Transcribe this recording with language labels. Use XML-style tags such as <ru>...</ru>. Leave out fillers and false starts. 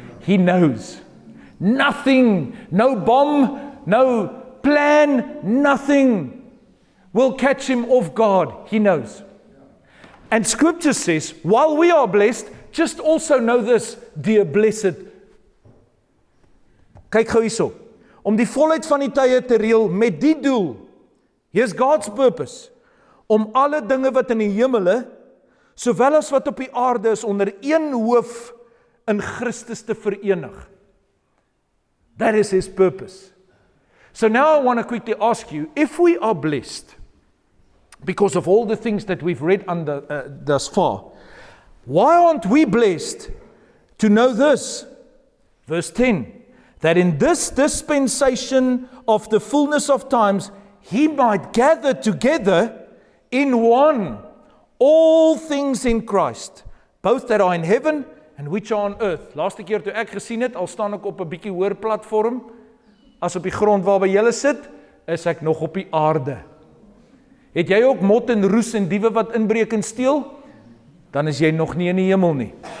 <en>He knows. Nothing, no bomb, no plan, nothing will catch him off guard. He knows. And scripture says, while we are blessed, just also know this, dear blessed.</en> <af>Kyk gou hierso. Om die volheid van die tye te reël met die doel.</af> <en>Here's God's purpose.</en> <af>Om alle dinge wat in die hemele, sowel as wat op die aarde is, onder een hoof in Christus te verenig.</af> <en>That is his purpose. So now I want to quickly ask you, if we are blessed, because of all the things that we've read under thus far, why aren't we blessed to know this? Verse 10, that in this dispensation of the fullness of times, he might gather together in one all things in Christ, both that are in heaven and which are on earth.</en> <af>Laaste keer toe ek gesien het, al staan ek op 'n bietjie hoër platform, as op die grond waarby jy sit, is ek nog op die aarde. Het jy ook mot en roes en diewe wat inbreek en steel? Dan is jy nog nie in die hemel nie.</af>